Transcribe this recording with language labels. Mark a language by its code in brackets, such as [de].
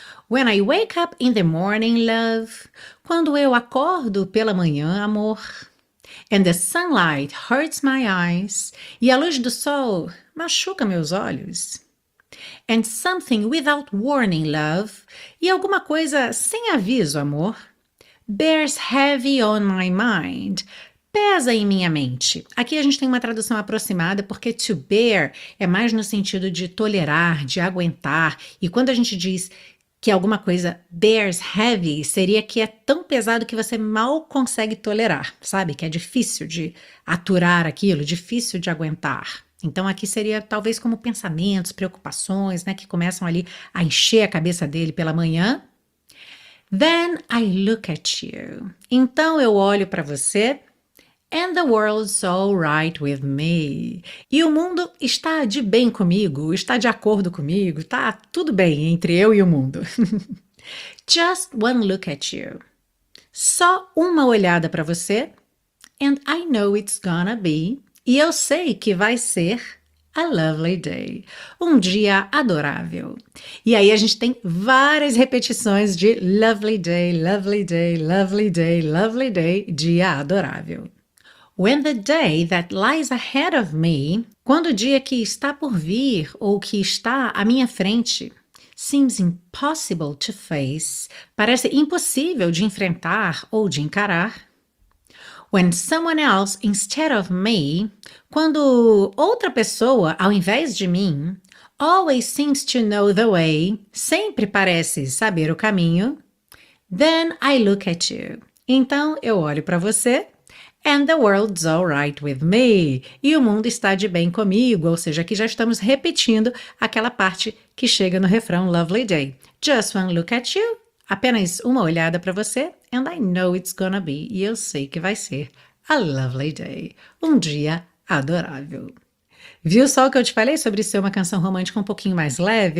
[en] When I wake up in the morning, love. [pt] Quando eu acordo pela manhã, amor. [en] And the sunlight hurts my eyes. [pt] E a luz do sol machuca meus olhos. [en] And something without warning, love. [pt] E alguma coisa sem aviso, amor. [en] Bears heavy on my mind. [pt] Pesa em minha mente. Aqui a gente tem uma tradução aproximada, porque to bear é mais no sentido de tolerar, de aguentar. E quando a gente diz que alguma coisa bears heavy, seria que é tão pesado que você mal consegue tolerar, sabe? Que é difícil de aturar aquilo, difícil de aguentar. Então, aqui seria talvez como pensamentos, preocupações, né, que começam ali a encher a cabeça dele pela manhã. [en] Then I look at you. [pt] Então, eu olho para você. [en] And the world's all right with me. [pt] E o mundo está de bem comigo, está de acordo comigo, está tudo bem entre eu e o mundo. [en] Just one look at you. [pt] Só uma olhada para você. [en] And I know it's gonna be. [pt] E eu sei que vai ser [en] a lovely day, [pt] um dia adorável. E aí a gente tem várias repetições de [en] lovely day, lovely day, [pt] lovely day, lovely day, dia adorável. [en] When the day that lies ahead of me, [pt] quando o dia que está por vir ou que está à minha frente, [en] seems impossible to face, [pt] parece impossível de enfrentar ou de encarar. [en] When someone else instead of me, [pt] quando outra pessoa ao invés de mim, [en] always seems to know the way, [pt] sempre parece saber o caminho. [en] Then I look at you. [pt] Então eu olho para você. [en] And the world's all right with me. [pt] E o mundo está de bem comigo. Ou seja, aqui já estamos repetindo aquela parte que chega no refrão Lovely Day. [en] Just one look at you. [pt] Apenas uma olhada para você. [en] And I know it's gonna be. [pt] E eu sei que vai ser [en] a lovely day. [pt] Um dia adorável. Viu só o que eu te falei sobre ser uma canção romântica um pouquinho mais leve?